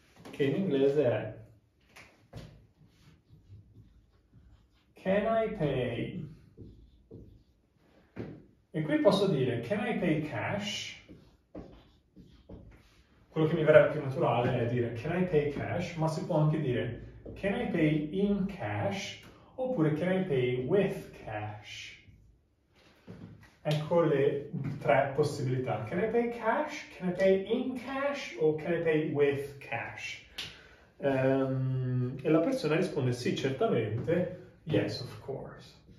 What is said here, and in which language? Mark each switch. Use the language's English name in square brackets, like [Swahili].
[Italian] Che in inglese è [English] can I pay? [Italian] E qui posso dire [English] can I pay cash? [Italian] Quello che mi verrebbe più naturale è dire [English] can I pay cash? [Italian] Ma si può anche dire [English] can I pay in cash? Oppure can I pay with cash? [Italian] Ecco le tre possibilità. [English] Can I pay cash? Can I pay in cash? O can I pay with cash? [Italian] E la persona risponde sì, certamente. [English] Yes, of course.